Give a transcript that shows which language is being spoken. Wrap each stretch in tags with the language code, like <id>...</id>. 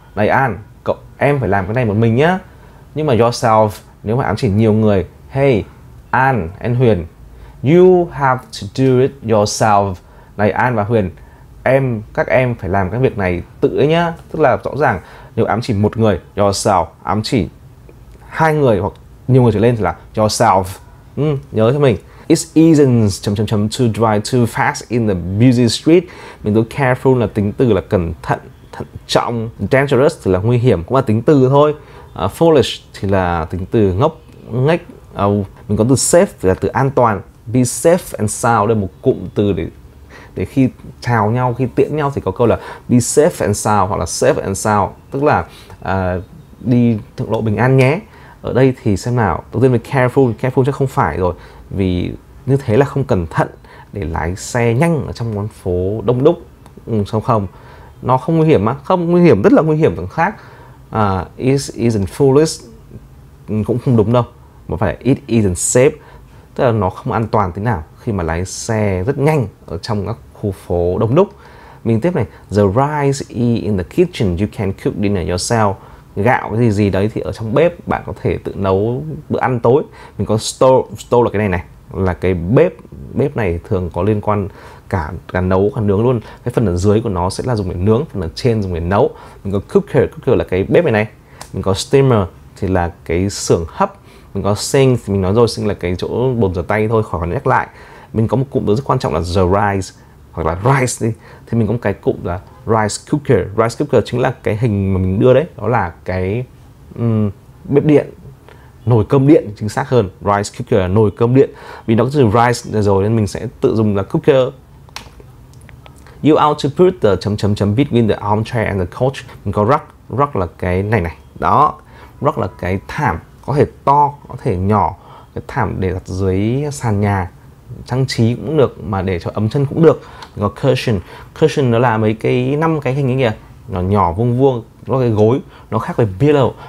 <vi>Này An, cậu em phải làm cái này một mình nhá. Nhưng mà yourself nếu mà ám chỉ nhiều người, hey An, anh Huyền,</vi> <en>you have to do it yourself.</en> <vi>Này An và Huyền, em, các em phải làm cái việc này tự ấy nhá. Tức là rõ ràng nếu ám chỉ một người, yourself, ám chỉ hai người hoặc nhiều người trở lên thì là yourself. Nhớ cho mình.</vi> <en>It isn't</en> <vi>chấm chấm chấm</vi> <en>to drive too fast in the busy street.</en> <vi>Mình nói careful là tính từ, là cẩn thận, thận trọng. Dangerous thì là nguy hiểm, cũng là tính từ thôi. Foolish thì là tính từ ngốc nghếch. Mình có từ safe thì là từ an toàn. Be safe and sound là một cụm từ để khi chào nhau, khi tiễn nhau thì có câu là</vi> <en>be safe and sound</en> <vi>hoặc là safe and sound, tức là đi thượng lộ bình an nhé. Ở đây thì xem nào, đầu tiên mình careful, careful chắc không phải rồi, vì như thế là không cẩn thận để lái xe nhanh ở trong con phố đông đúc. Không, nó không nguy hiểm á? Không, nguy hiểm rất là nguy hiểm. Thằng khác</vi> <en>it isn't foolish</en> <vi>cũng không đúng đâu, mà phải</vi> <en>it isn't safe,</en> <vi>tức là nó không an toàn thế nào khi mà lái xe rất nhanh ở trong các khu phố đông đúc. Mình tiếp này,</vi> <en>the rice is in the kitchen, you can cook dinner yourself.</en> <vi>Gạo cái gì gì đấy thì ở trong bếp, bạn có thể tự nấu bữa ăn tối. Mình có stove là cái này này, là cái bếp. Bếp này thường có liên quan cả nấu cả nướng luôn. Cái phần ở dưới của nó sẽ là dùng để nướng, phần ở trên dùng để nấu. Mình có cooker là cái bếp này này. Mình có steamer thì là cái xưởng hấp. Mình có sink thì mình nói rồi, sink là cái chỗ bồn rửa tay thôi, khỏi còn nhắc lại. Mình có một cụm từ rất quan trọng là the rice hoặc là rice đi. Thì mình có một cái cụm là rice cooker. Rice cooker chính là cái hình mà mình đưa đấy, đó là cái bếp điện, nồi cơm điện chính xác hơn. Rice cooker là nồi cơm điện, vì nó có từ rice rồi nên mình sẽ tự dùng là cooker.</vi> <en>You ought to put the</en> <vi>chấm chấm chấm</vi> <en>between the armchair and the couch.</en> <vi>Mình có rug. Rug là cái này này đó. Rug là cái thảm, có thể to có thể nhỏ, cái thảm để đặt dưới sàn nhà, trang trí cũng được mà để cho ấm chân cũng được. Mình có cushion. Cushion nó là mấy cái năm cái hình ấy kìa, nó nhỏ vuông vuông, nó cái gối, nó khác với pillow.</vi>